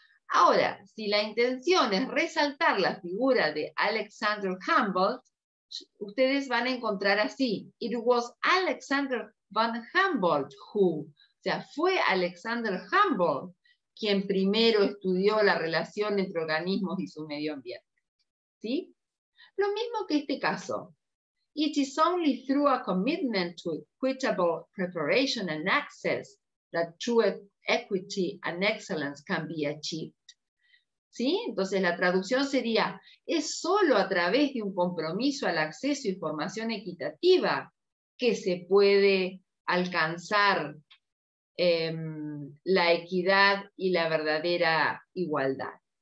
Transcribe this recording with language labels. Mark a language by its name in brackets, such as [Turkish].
[Spanish] Ahora, si la intención es resaltar la figura de Alexander Humboldt, ustedes van a encontrar así, [English] it was Alexander von Humboldt who, [Spanish] o sea, fue Alexander Humboldt quien primero estudió la relación entre organismos y su medio ambiente. ¿Sí? Lo mismo que este caso. [English] It is only through a commitment to equitable preparation and access that true equity and excellence can be achieved. [Spanish] ¿Sí? Entonces la traducción sería, es solo a través de un compromiso al acceso y formación equitativa que se puede alcanzar la equidad y la verdadera igualdad.